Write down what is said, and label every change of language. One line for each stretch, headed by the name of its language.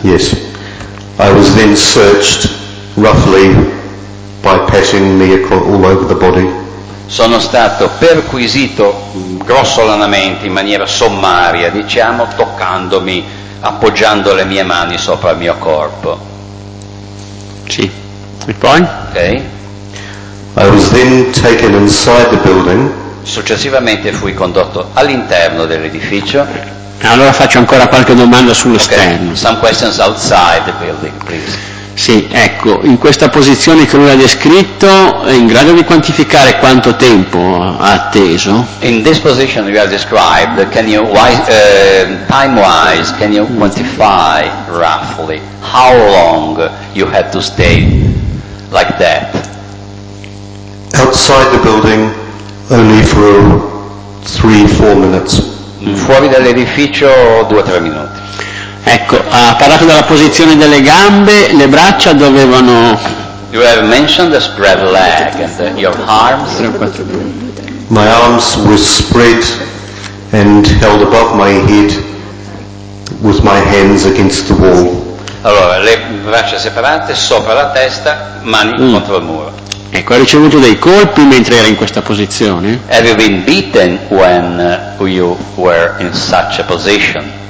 English: Yes, I was then searched roughly by patting me all over the body.
Italian: Sono stato perquisito grossolanamente, in maniera sommaria, diciamo, toccandomi, appoggiando le mie mani sopra il mio corpo. Sì. E poi? Ok.
English: I was then taken inside the building.
Italian: Successivamente fui condotto all'interno dell'edificio. Allora faccio ancora qualche domanda sull'esterno.
English: Okay. Some questions outside the building, please.
Italian: Sì, ecco, in questa posizione che lui ha descritto, è in grado di quantificare quanto tempo ha atteso?
English: In this position you have described, can you time-wise, can you quantify roughly how long you had to stay like that? Outside the building only for 3-4 minutes.
Italian: Fuori dall'edificio 2-3 minuti. Ecco, ha parlato della posizione delle gambe, le braccia dovevano...
English: You have mentioned the spread leg and your arms. My arms were spread and held above my head with my hands against the wall.
Italian: Allora, le braccia separate sopra la testa, mani contro il muro. Ecco, ha ricevuto dei colpi mentre era in questa posizione?
English: Have you been beaten when you were in such a position?